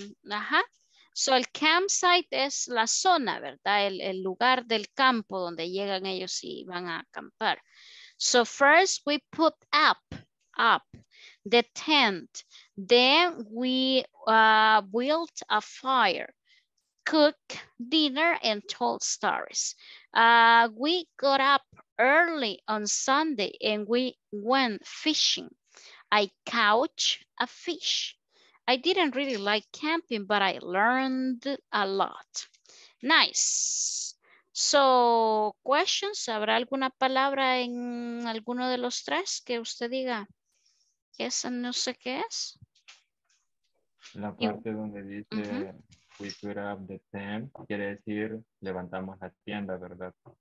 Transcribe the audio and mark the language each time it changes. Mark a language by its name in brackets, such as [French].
[Spanish] Ajá. So, el campsite es la zona, ¿verdad? El lugar del campo donde llegan ellos y van a acampar. [English] So, first we put up the tent. Then we built a fire, cooked dinner and told stories. We got up early on Sunday and we went fishing. I caught a fish. I didn't really like camping, but I learned a lot. Nice. So, questions. [Spanish] ¿Habrá alguna palabra en alguno de los tres que usted diga? Esa no sé qué es. La parte donde dice, uh-huh. [English] We put up the tent, [Spanish] quiere decir, levantamos la tienda, ¿verdad?